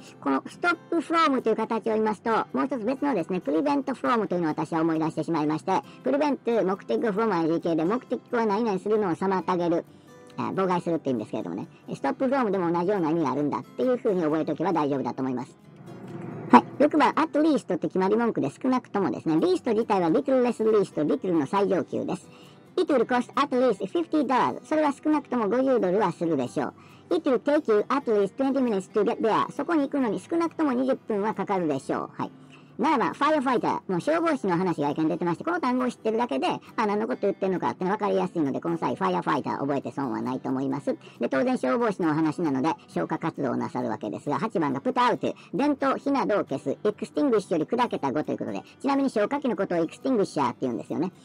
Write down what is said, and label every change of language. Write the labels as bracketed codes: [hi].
[ja] この stop from という形を言いますと、もう一つ別のですね、prevent from というのを私は思い出してしまいまして、prevent 目的 from は GK で、目的を何々するのを妨げる、妨害するって言うんですけれどもね、stop from でも同じような意味があるんだっていうふうに覚えておけば大丈夫だと思います。はい、6番、at least って決まり文句で、少なくともですね、least 自体は little less least、little の最上級です。 [en] It will cost at least $50. [ja] それは少なくとも50ドルはするでしょう。 [en] It will take you at least 20 minutes to get there. [ja] そこに行くのに少なくとも20分はかかるでしょう。はい。ならば、firefighter、もう消防士の話が一見出てまして、この単語を知ってるだけで、あ、何のこと言ってるのかってわかりやすいので、この際、firefighter 覚えて損はないと思います。で、当然、消防士のお話なので、消火活動をなさるわけですが、8番が put out、電灯、火などを消す、extinguish より砕けた語ということで、ちなみに消火器のことを extinguisher って言うんですよね。